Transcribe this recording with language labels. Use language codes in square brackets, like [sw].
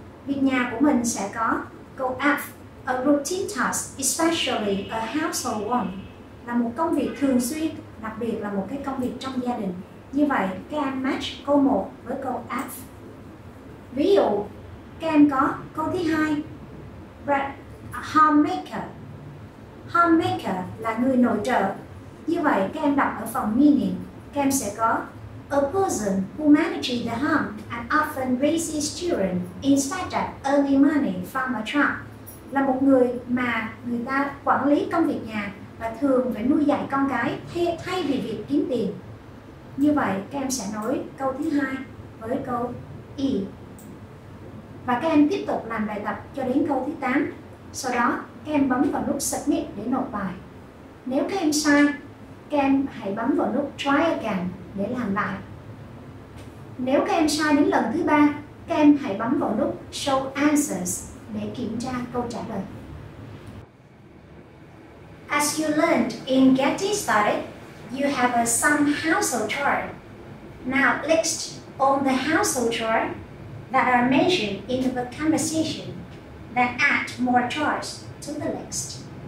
[vi] Việc nhà của mình sẽ có câu F, [en] a routine task, especially a household one, [vi] là một công việc thường xuyên, đặc biệt là một cái công việc trong gia đình. Như vậy, các em match câu 1 với câu F. Ví dụ, các em có câu thứ 2, homemaker. Homemaker là người nội trợ. Như vậy, các em đọc ở phần meaning. Các em sẽ có [en] a person who manages the home and often raises children instead of earning money from a truck. [vi] Là một người mà người ta quản lý công việc nhà và thường phải nuôi dạy con cái thay vì việc kiếm tiền. Như vậy, các em sẽ nối câu thứ hai với câu E. Và các em tiếp tục làm bài tập cho đến câu thứ 8. Sau đó, các em bấm vào nút Submit để nộp bài. Nếu các em sai, các em hãy bấm vào nút Try Again để làm lại. Nếu các em sai đến lần thứ 3, các em hãy bấm vào nút Show Answers để kiểm tra câu trả lời. [en] as you learned in Getting Started, you have some household chore. Now, list all the household chore that are mentioned in the conversation, then add more chores to the list.